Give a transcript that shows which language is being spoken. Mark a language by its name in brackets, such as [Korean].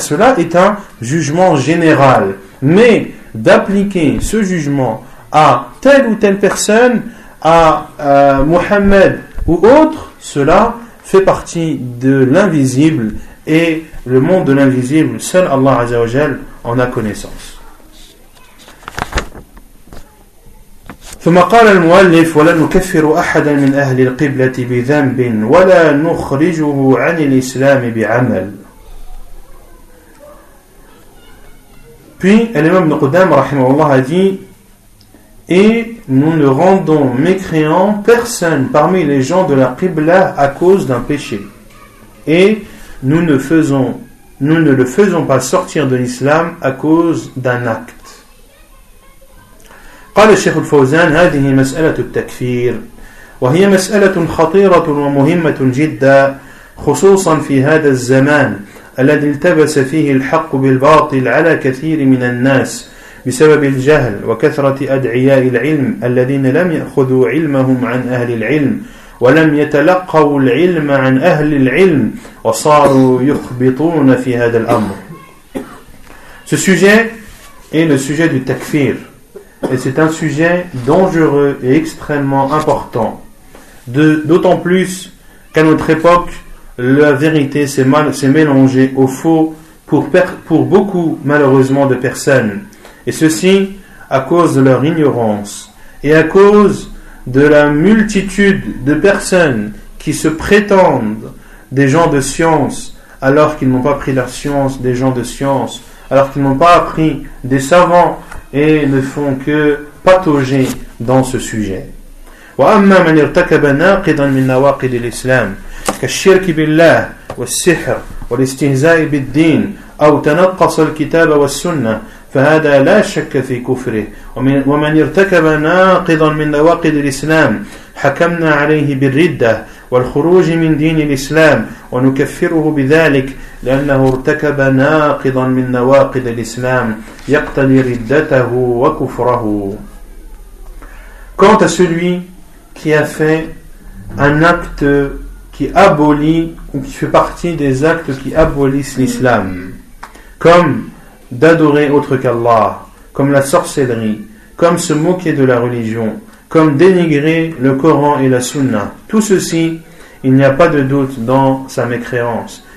[French] Cela est un jugement général. Mais d'appliquer ce jugement à telle ou telle personne, à Mohammed ou autre, cela fait partie de l'invisible et le monde de l'invisible, seul Allah Azza wa Jalla en a connaissance. [Arabic] ثم قال المؤلف ولا نكفر أحدا من أهل القبلة بذنب ولا نخرجه عن الإسلام بعمل. [French] Puis l'imam Ibn Qudamah رحمه الله a dit: et nous ne rendons mécréant personne parmi les gens de la Qibla à cause d'un péché. Et nous ne le faisons pas sortir de l'islam à cause d'un acte. [Arabic] قال الشيخ الفوزان هذه مسألة التكفير وهي مسألة خطيرة ومهمة جدا خصوصا في هذا الزمان الذي التبس فيه الحق بالباطل على كثير من الناس بسبب الجهل وكثرة أدعياء العلم الذين لم يأخذوا علمهم عن أهل العلم ولم يتلقوا العلم عن أهل العلم وصاروا يخبطون في هذا الأمر. [French] Ce sujet est le sujet du takfir et c'est un sujet dangereux et extrêmement important, d'autant plus qu'à notre époque la vérité s'est mélangée au faux pour beaucoup malheureusement de personnes, et ceci à cause de leur ignorance et à cause de la multitude de personnes qui se prétendent des gens de science alors qu'ils n'ont pas pris la science des gens de science, alors qu'ils n'ont pas appris des savants et ne font que patauger dans ce sujet. [Arabic] وأما من ارتكب ناقضا من نواقض الإسلام كالشرك بالله والسحر والاستهزاء بالدين أو تنقص الكتاب والسنة فهذا لا شك في كفره ومن ارتكب ناقضا من نواقض الإسلام حكمنا عليه بالردة والخروج من دين الإسلام ونكفره بذلك لأنه ارتكب ناقضا من نواقض الإسلام يقتضي ردته وكفره. [French] Quant à celui qui a fait un acte qui abolit ou qui fait partie des actes qui abolissent l'islam, comme d'adorer autre qu'Allah, comme la sorcellerie, comme se moquer de la religion, comme dénigrer le Coran et la Sunna, tout ceci, il n'y a pas de doute dans sa mécréance.